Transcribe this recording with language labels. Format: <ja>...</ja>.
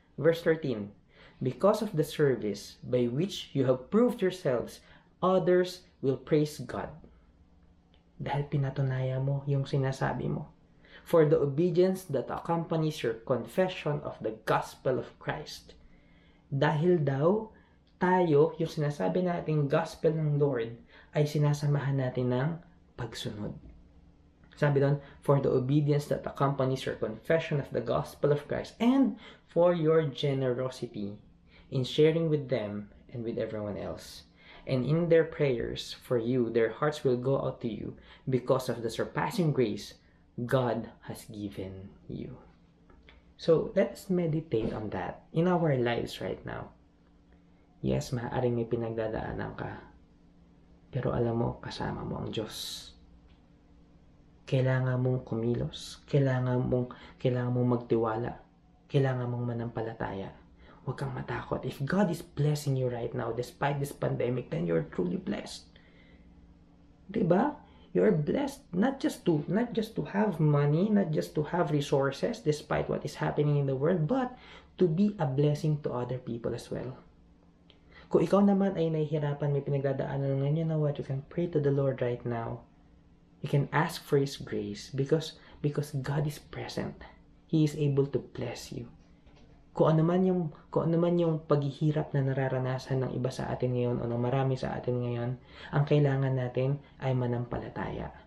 <en>Verse 13, because of the service by which you have proved yourselves, others will praise God.</en> <tl>Dahil pinatunayan mo yung sinasabi mo.</tl> <en>For the obedience that accompanies your confession of the gospel of Christ.</en> <tl>Dahil daw tayo, yung sinasabi natin gospel ng Lord, ay sinasamahan natin ng pagsunod. Sabi doon,</tl> <en>for the obedience that accompanies your confession of the gospel of Christ and for your generosity in sharing with them and with everyone else. And in their prayers for you, their hearts will go out to you because of the surpassing grace God has given you. So, let's meditate on that in our lives right now.</en> <tl>Yes, maaaring may pinagdadaanan ka. Pero alam mo, kasama mo ang Diyos. Kailangan mong kumilos. Kailangan mong magtiwala. Kailangan mong manampalataya. Huwag kang matakot.</tl> <en>If God is blessing you right now, despite this pandemic, then you're truly blessed. Diba? You're blessed not just to have money, not just to have resources despite what is happening in the world, but to be a blessing to other people as well.</en> <tl>Kung ikaw naman ay nahihirapan, may pinagdadaanan ngayon,</tl> <en>you know what? You can pray to the Lord right now. You can ask for His grace because God is present. He is able to bless you.</en> <tl>Kung ano man yung paghihirap na nararanasan ng iba sa atin ngayon o ng marami sa atin ngayon, ang kailangan natin ay manampalataya.</tl>